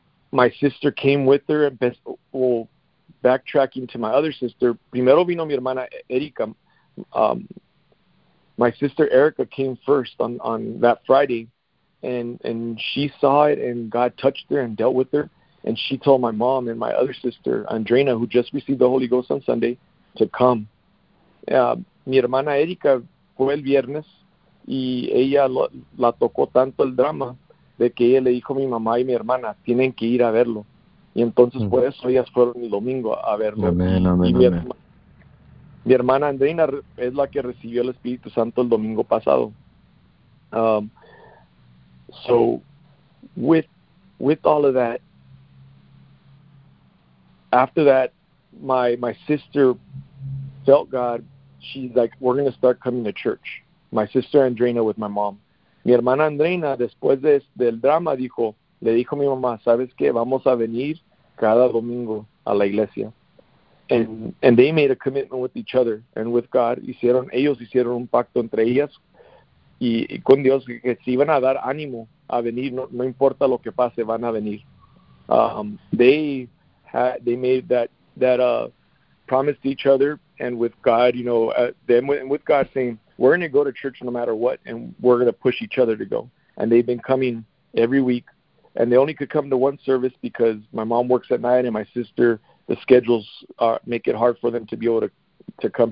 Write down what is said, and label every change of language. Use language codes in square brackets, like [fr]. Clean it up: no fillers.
[en] My sister came with her, backtracking to my other sister. [es] Primero vino mi hermana Erica. [en] My sister Erica came first on that Friday, and she saw it, and God touched her and dealt with her. And she told my mom and my other sister, Andrina, who just received the Holy Ghost on Sunday, to come. [es] Mi hermana Erika fue el viernes y ella la tocó tanto el drama de que ella le dijo a mi mamá y mi hermana, tienen que ir a verlo. Y entonces por eso ellas fueron el domingo a verlo. Mi hermana Andrina es la que recibió el Espíritu Santo el domingo pasado. [en] So with all of that, after that, my sister felt God. She's like, we're going to start coming to church. My sister Andrina with my mom. [es] Mi hermana Andrina, después del drama, le dijo a mi mamá, ¿sabes qué? Vamos a venir cada domingo a la iglesia. [en] And they made a commitment with each other and with God. [es] Ellos hicieron un pacto entre ellas y con Dios que se iban a dar ánimo a venir. No importa lo que pase, van a venir. [en] They made that promise to each other, and with God, you know, with God saying, we're going to go to church no matter what, and we're going to push each other to go. And they've been coming every week, and they only could come to one service because my mom works at night, and my sister, the schedules make it hard for them to be able to come.